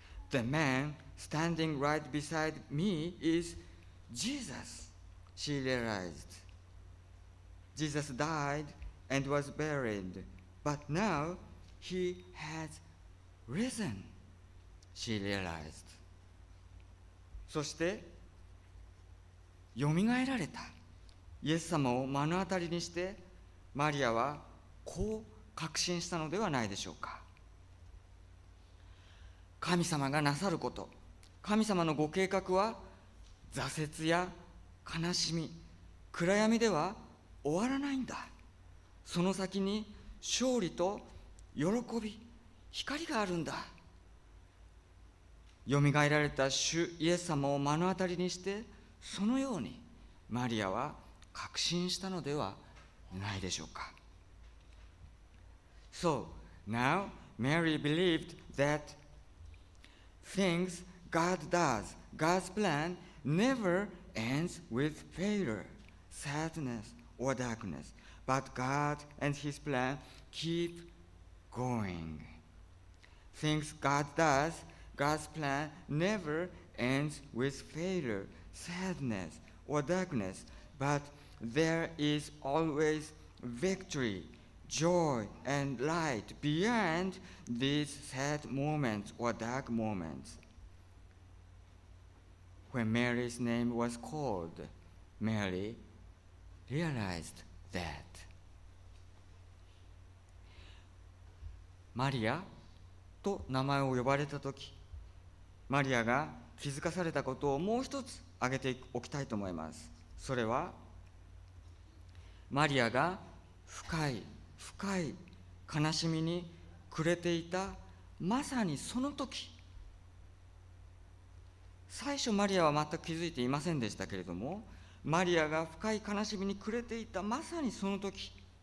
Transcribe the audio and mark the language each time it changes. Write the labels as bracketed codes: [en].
[en] The man standing right beside me is Jesus, she realized. Jesus died and was buried, but now he has risen, she realized. [ja] そしてよみがえられたイエス様を目の当たりにして、マリアはこう確信したのではないでしょうか。神様がなさること、神様のご計画は挫折や悲しみ、暗闇では終わらないんだ。その先に勝利と喜び、光があるんだ。よみがえられた主イエス様を目の当たりにして、そのようにマリアは確信したのではないでしょうか。 [en] So now Mary believed that things God does, God's plan never ends with failure, sadness or darkness, but God and his plan keep going. Things God does, God's plan never ends with failure, sadness or darkness, but there is always victory, joy and light beyond these sad moments or dark moments. When Mary's name was called, Mary realized that. [ja] マリアと名前を呼ばれたとき、マリアが気づかされたことをもう一つ挙げておきたいと思います。それは、マリアが深い悲しみに暮れていたまさにその時、最初マリアは全く気づいていませんでしたけれども、マリアが深い悲しみに暮れていたまさにその時、